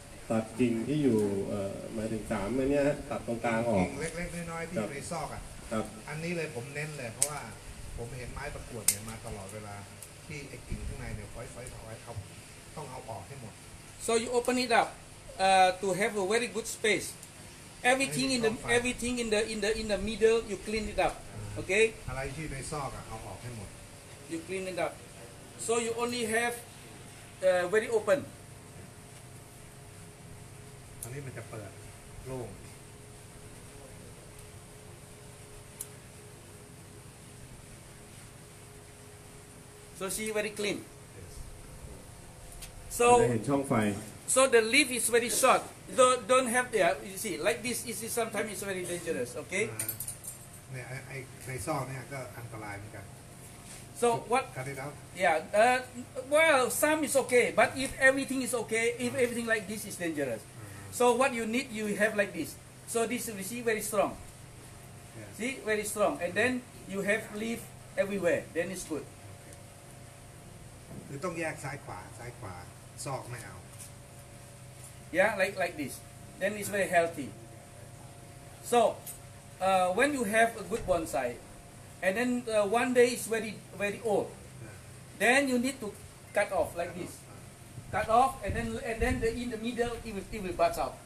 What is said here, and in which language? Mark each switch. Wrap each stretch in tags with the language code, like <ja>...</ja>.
<th>ตัดกิ่งที่อยู่หมายถึงสามอันนี้ตัดตรงกลางออก กิ่งเล็กๆน้อยๆที่อยู่ในซอกอ่ ะอันนี้เลยผมเน้นเลยเพราะว่าผมเห็นไม้ประกวดเนี่ยมาตลอดเวลาที่ไอ้กิ่งข้างในเนี่ยค่อยๆเขาต้องเอาออกให้หมด</th> <en>So you open it up to have a very good space. Everything in the everything in the middle, you clean it up. Okay.</en> <th>อะไรที่ในซอกอ่ะเอาออกให้หมด</th> <en>You clean it up. So you only haveVery open.</en> <th>ตอนนี้มันจะเปิดโล่ง</th> <en>So see very clean. Yes. So</en> <th>เห็นช่องไฟ</th> <en>So the leaf is very short. Don't have there. You see, like this is sometimes it's very dangerous. Okay.</en> <th>เนี่ยไอ้ในซอกเนี่ยก็อันตรายเหมือนกัน</th> <en>So what? Yeah. Well, some is okay, but if everything is okay, if everything like this is dangerous. So what you need, you have like this. So this you see very strong. Yes. See very strong, and then you have leaf everywhere. Then it's good.</en> <th>คือต้องแยกซ้ายขวาซอกไม่เอา</th> <en>Yeah, like this. Then it's very healthy. So When you have a good bonsai, and then one day it's very very old, then you need to cut off like this. Cut off, and then the, in the middle it will bust out.</en>